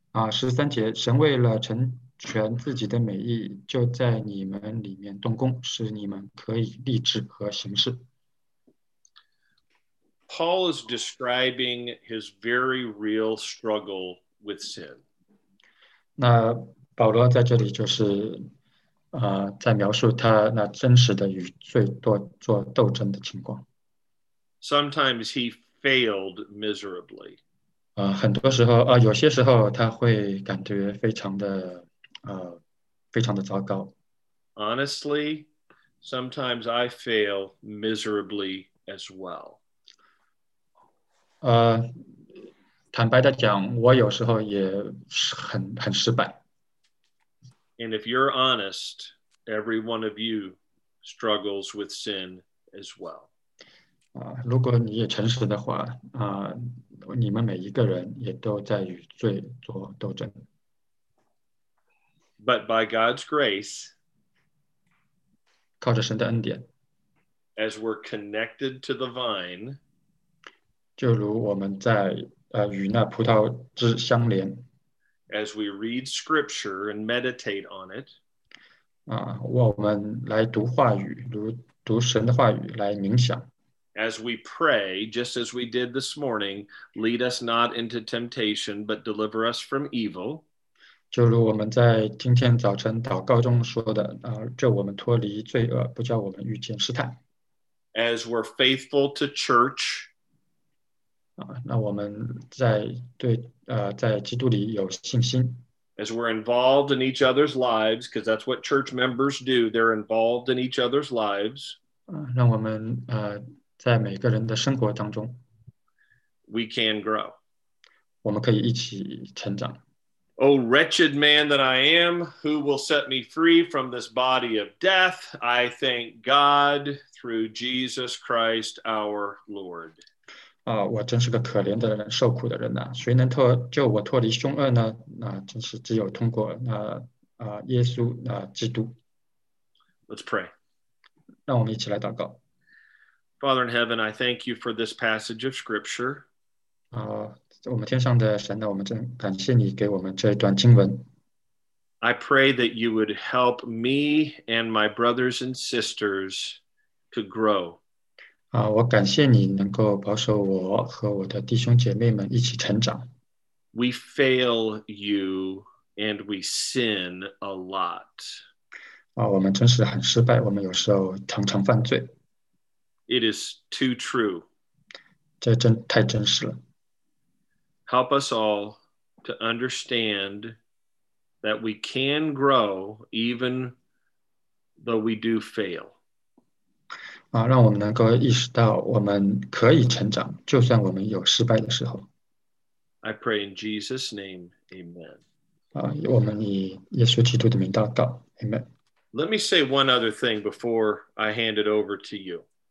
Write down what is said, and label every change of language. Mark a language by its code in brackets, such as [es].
[zh] 十三节，神为了成全自己的美意，就在你们里面动工，使你们可以立志和行事。 [en] Paul is describing his very real struggle with sin. [zh] 那保罗在这里就是，在描述他那真实的与罪做斗争的情况。 [en] Sometimes he failed miserably. [zh] 很多时候，有些时候他会感觉非常的，非常的糟糕。 [en] Honestly, sometimes I fail miserably as well. [zh] 坦白的讲，我有时候也很失败。 [en] And if you're honest, every one of you struggles with sin as well. [zh] 如果你也诚实的话，你们每一个人也都在与罪做斗争。 [en] But by God's grace, [zh] 靠着神的恩典， [en] as we're connected to the vine, [zh] 就如我们在与那葡萄枝相连。 [en] As we read scripture and meditate on it. [zh] 我们来读话语，如读神的话语来冥想。 [en] As we pray, just as we did this morning, lead us not into temptation, but deliver us from evil. [zh] 就如我们在今天早晨祷告中说的，叫我们脱离罪恶，不叫我们遇见试探。 [en] As we're faithful to church, [zh] 那我们在对在基督里有信心。 [en] As we're involved in each other's lives, because that's what church members do, they're involved in each other's lives. [zh] 让我们在每个人的生活当中。 [en] We can grow. [zh] 我们可以一起成长。 [en] Oh, wretched man that I am, who will set me free from this body of death? I thank God through Jesus Christ our Lord. [zh] 我真是个可怜的人，受苦的人呐！谁能救我脱离凶恶呢？那真是只有通过耶稣基督。 [en] Let's pray. [zh] 让我们一起来祷告。 [en] Father in heaven, I thank you for this passage of scripture. [zh] 我们天上的神呢，我们真感谢你给我们这一段经文。 [en] I pray that you would help me and my brothers and sisters to grow. [zh] 我感谢你能够保守我和我的弟兄姐妹们一起成长。 [en] We fail you and we sin a lot. [zh] 我们真是很失败，我们有时候常常犯罪。 [en] It is too true. [zh] 这真太真实了。 [en] Help us all to understand that we can grow even though we do fail. [zh] 让我们能够意识到我们可以成长，就算我们有失败的时候。 [en] I pray in Jesus' name, amen. [zh] 我们以耶稣基督的名祷告， amen. [en] Let me say one other thing before I hand it over to you.